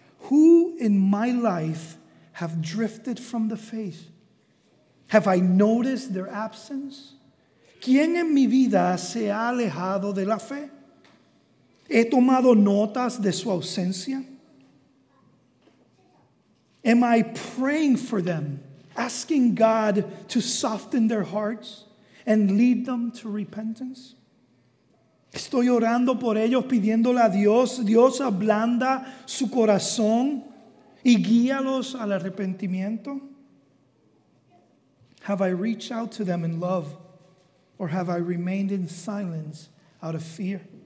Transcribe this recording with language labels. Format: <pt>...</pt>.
<en>Who in my life have drifted from the faith? Have I noticed their absence?</en> <es>¿Quién en mi vida se ha alejado de la fe? ¿He tomado notas de su ausencia?</es> <en>Am I praying for them asking God to soften their hearts and lead them to repentance.</en> <es>Estoy orando por ellos, pidiéndole a Dios, Dios ablanda su corazón y guíalos al arrepentimiento.</es> <en>Have I reached out to them in love, or have I remained in silence out of fear?</en>